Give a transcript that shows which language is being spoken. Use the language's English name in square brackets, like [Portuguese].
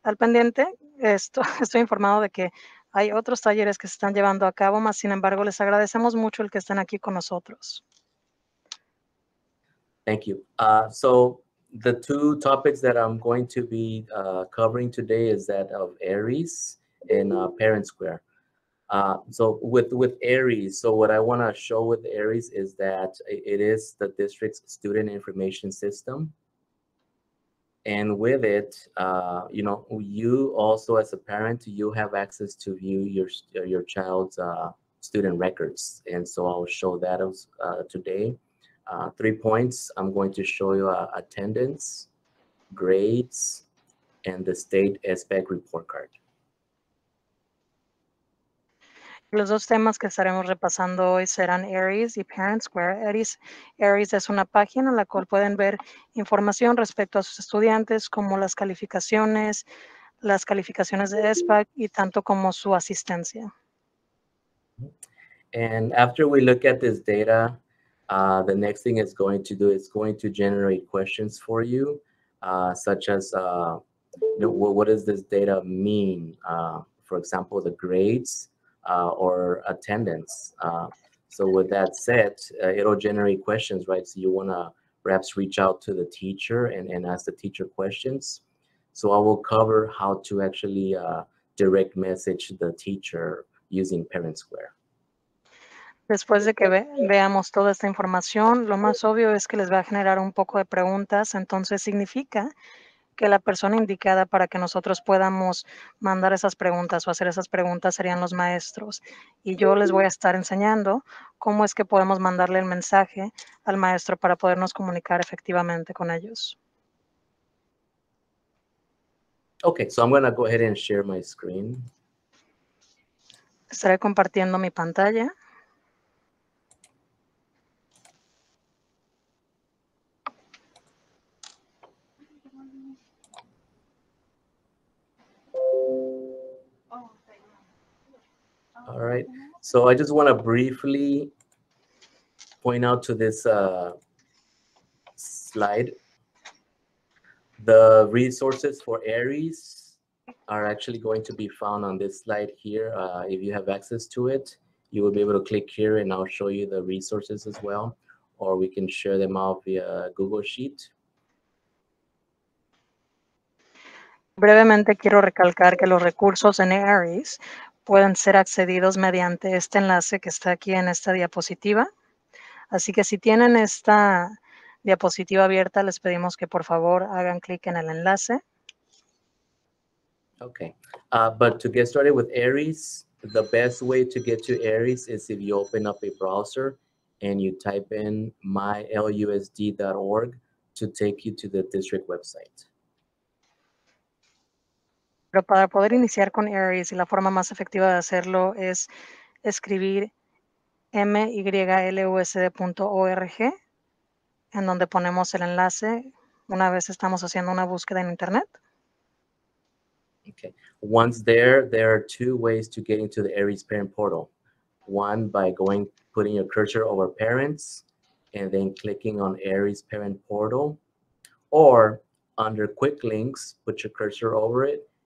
[Spanish] Estoy informado de que hay otros talleres que se están llevando a cabo, mas sin embargo, les agradecemos mucho el que están aquí con nosotros. [English] Thank you. So the two topics that I'm going to be covering today is that of Aeries and ParentSquare. So with Aeries, so what I want to show with Aeries is that it is the district's student information system. And with it, you know, you also as a parent, you have access to view your child's student records. And so I'll show that today. 3 points, I'm going to show you attendance, grades, and the state SBAC report card. [Spanish] Los dos temas que estaremos repasando hoy serán Aeries y ParentSquare. Aeries es una página en la cual pueden ver información respecto a sus estudiantes, como las calificaciones de SBAC y tanto como su asistencia. [English] And after we look at this data, the next thing it's going to do is going to generate questions for you, such as, what does this data mean? For example, the grades. Or attendance. So with that said, it'll generate questions, right? So you wanna perhaps reach out to the teacher and ask the teacher questions. So I will cover how to actually direct message the teacher using ParentSquare. [Spanish] Después de que veamos toda esta información, lo más obvio es que les va a generar un poco de preguntas. Entonces significa que la persona indicada para que nosotros podamos mandar esas preguntas o hacer esas preguntas serían los maestros. Y yo les voy a estar enseñando cómo es que podemos mandarle el mensaje al maestro para podernos comunicar efectivamente con ellos. [English] Okay, so I'm going to go ahead and share my screen. [Spanish] Estaré compartiendo mi pantalla. [English] All right, so I just want to briefly point out to this slide. The resources for Aeries are actually going to be found on this slide here. If you have access to it, you will be able to click here and I'll show you the resources as well, or we can share them out via Google Sheet. [Spanish] Brevemente quiero recalcar que los recursos en Aeries pueden ser accedidos mediante este enlace que está aquí en esta diapositiva. Así que si tienen esta diapositiva abierta, les pedimos que por favor hagan clic en el enlace. [English] Okay. But to get started with Aeries, the best way to get to Aeries is if you open up a browser and you type in mylusd.org to take you to the district website. [Spanish] Pero para poder iniciar con Aeries y la forma más efectiva de hacerlo es escribir mylusd.org en donde ponemos el enlace una vez estamos haciendo una búsqueda en internet. [English] Okay. Once there are two ways to get into the Aeries parent portal. One by putting your cursor over parents and then clicking on Aeries parent portal, or under quick links, put your cursor over it.